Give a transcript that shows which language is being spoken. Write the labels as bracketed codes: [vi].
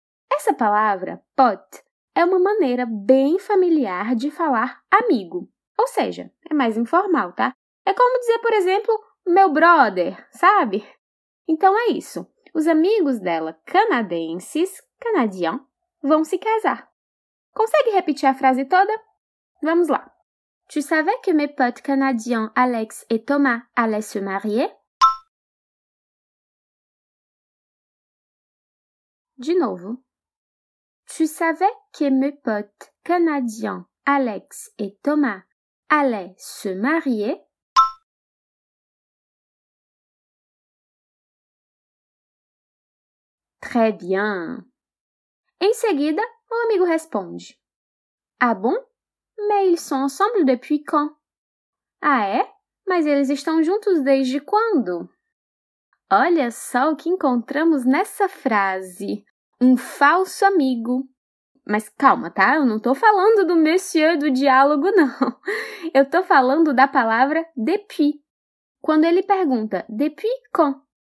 [pt] Essa palavra, pote, é uma maneira bem familiar de falar amigo. Ou seja, é mais informal, tá? É como dizer, por exemplo, meu brother, sabe? Então é isso. Os amigos dela, canadenses, canadien, vão se casar. Consegue repetir a frase toda? Vamos lá. [fr] Tu savais que mes potes canadiens Alex et Thomas allaient se marier? [pt] De novo. [fr] Tu savais que mes potes canadiens Alex et Thomas allaient se marier? Très bien. [pt] Em seguida, o amigo responde. [fr] Ah bon? Mais ils sont ensemble depuis quand? [pt] Ah é? Mas eles estão juntos desde quando? Olha só o que encontramos nessa frase. Um falso amigo. Mas calma, tá? Eu não tô falando do monsieur do diálogo, não. Eu tô falando da palavra depuis. Quando ele pergunta [fr] depuis quand?